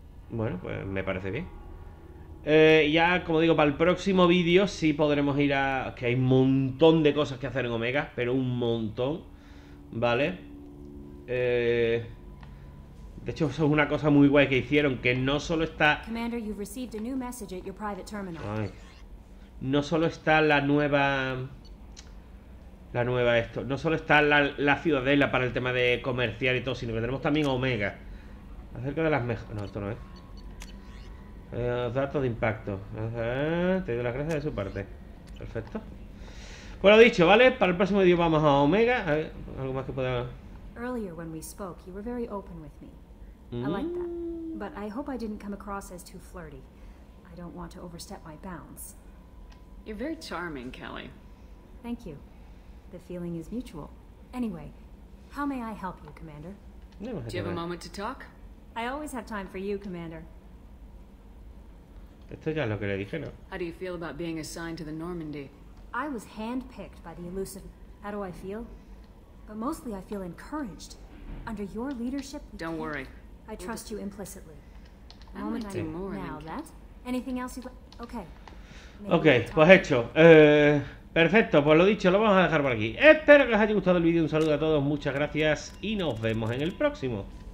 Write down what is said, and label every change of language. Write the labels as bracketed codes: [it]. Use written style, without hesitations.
[es] Bueno, pues me parece bien. Ya, como digo, para el próximo vídeo sí podremos ir a... Que hay un montón de cosas que hacer en Omega, pero un montón, ¿vale? De hecho, eso es una cosa muy guay que hicieron, que no solo está... [en] Commander, you've received a new message at your private terminal. [es] Ay. No solo está la nueva... No solo está la ciudadela para el tema de comerciar y todo, sino que tenemos también Omega. Acerca de las mejores... No, esto no es. Datos de impacto. Te doy las gracias de su parte. Perfecto. Bueno, dicho, ¿vale? Para el próximo vídeo vamos a Omega. A ver, algo más que pueda. [en] Earlier when we spoke, you were very open with me. I like that. But I hope I didn't come across as too flirty. I don't want to overstep my bounds. You're very charming, Kelly. Thank you. The feeling is mutual. Anyway, how may I help you, Commander? Do you have a moment to talk? I always have time for you, Commander. [es] Esto ya es lo que le dije, ¿no? [en] How do you feel about being assigned to the Normandy? I was handpicked by the elusive. How do I feel? But mostly I feel encouraged. Under your leadership. Don't worry. I trust you implicitly. I might do more than that. Anything else you'd like? Okay. [es] Okay, pues hecho. Perfecto, pues lo dicho, lo vamos a dejar por aquí. Espero que os haya gustado el vídeo. Un saludo a todos, muchas gracias y nos vemos en el próximo.